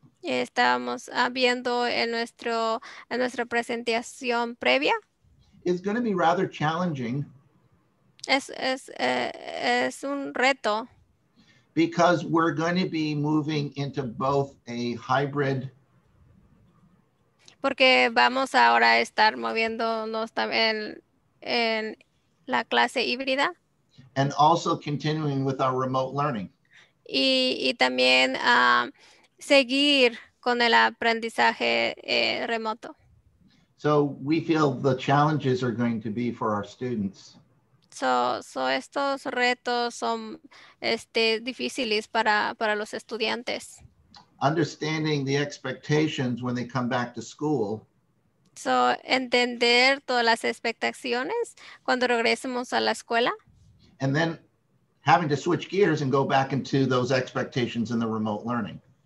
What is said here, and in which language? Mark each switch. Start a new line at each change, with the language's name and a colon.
Spanish: Estábamos viendo en nuestra presentación previa.
English: Is going to be rather challenging.
Spanish: Es un reto.
English: Because we're going to be moving into both a hybrid.
Spanish: Porque vamos ahora a estar moviéndonos también en la clase híbrida.
English: And also continuing with our remote learning.
Spanish: Y también seguir con el aprendizaje remoto.
English: So we feel the challenges are going to be for our students.
Spanish: So estos retos son difíciles para los estudiantes.
English: Understanding the expectations when they come back to school.
Spanish: So entender todas las expectaciones cuando regresemos a la escuela.
English: And then having to switch gears and go back into those expectations in the remote learning.